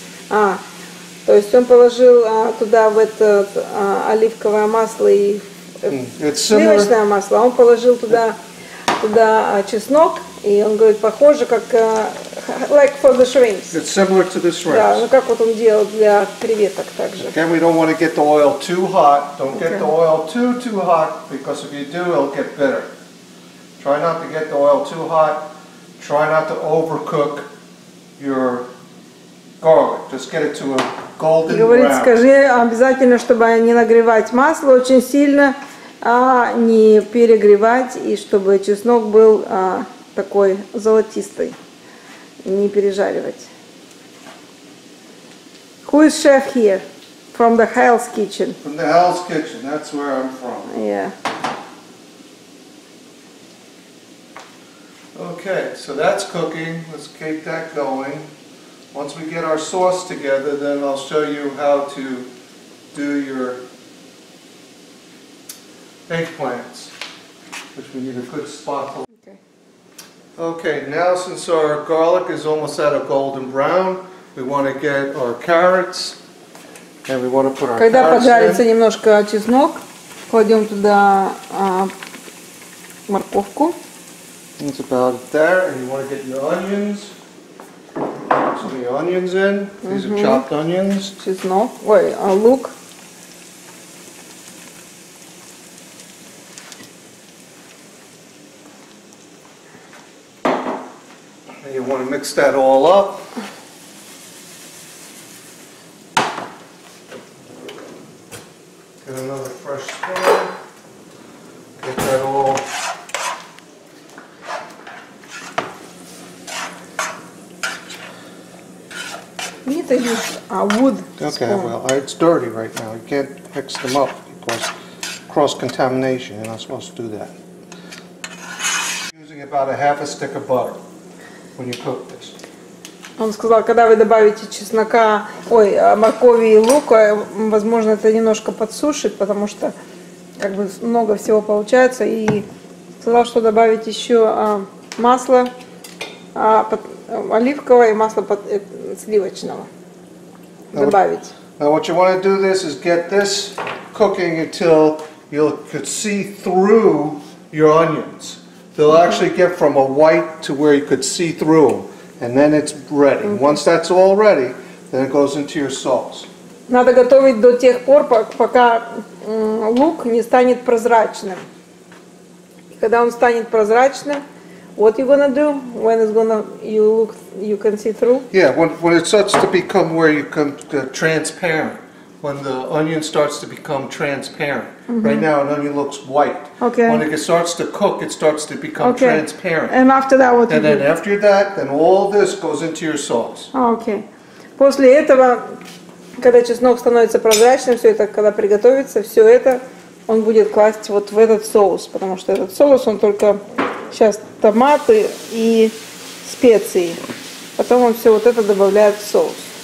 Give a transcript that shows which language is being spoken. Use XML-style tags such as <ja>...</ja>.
<ru>А, то есть он положил туда в это оливковое масло и сливочное масло. Он положил туда... Туда чеснок, и он говорит, похоже, как</ru> <en>like for the shrimps. It's similar to the shrimps.</en> <ru>Да, ну как вот он делал для креветок также.</ru> <en>Again, we don't want to get the oil too hot. Don't get the oil too hot, because if you do, it'll get bitter. Try not to get the oil too hot. Try not to overcook your garlic. Just get it to a golden brown.</en> <ru>Говорит, скажи обязательно, чтобы не нагревать масло очень сильно. А не перегревать, и чтобы чеснок был такой золотистый, не пережаривать.</ru> <en>Who is chef here? From the Hell's Kitchen. From the Hell's Kitchen, that's where I'm from. Yeah. Okay, so that's cooking. Let's keep that going. Once we get our sauce together, then I'll show you how to do your eggplants, which we need a good spot to. Okay, now since our garlic is almost at a golden brown, we want to get our carrots, and we want to put our</en> <ru>Когда</ru> <en>carrots in.</en> <ru>Когда поджарится немножко чеснок, кладем туда морковку.</ru> <en>It's about there, and you want to get your onions. Put some of your onions in. These are chopped onions. Чеснок. Wait, look. And And you want to mix that all up. Get another fresh spoon. Get that all. You need to use a wood spoon. Okay, well, it's dirty right now. You can't mix them up because cross-contamination. You're not supposed to do that. Using about a half a stick of butter when you cook this.</en> <ru>Он сказал, когда вы добавите чеснока, ой, моркови и лука, возможно, это немножко подсушит, потому что как бы много всего получается. И сказал, что добавить еще масло оливковое и масло сливочного. Добавить.</ru> <en>Now what you want to do this is get this cooking until you could see through your onions. They'll actually get from a white to where you could see through them. And then it's ready. Mm-hmm. Once that's all ready, then it goes into your sauce.</en> <ru>Надо готовить до тех пор, пока лук не станет прозрачным. Когда он станет прозрачным,</ru> <en>what you gonna do? When it's gonna you look, you can see through? Yeah, when it starts to become where you can transparent. When the onion starts to become transparent. Mm-hmm. Right now, an onion looks white. Okay. When it starts to cook, it starts to become okay. transparent. And after that, what and do you then do? After that, then all this goes into your sauce. Okay.</en> <ru>После этого, когда чеснок становится прозрачным, все это, когда приготовится, все это, он будет класть вот в этот соус, потому что этот соус, он только сейчас томаты и специи. Потом он все вот это добавляет в соус.</ru>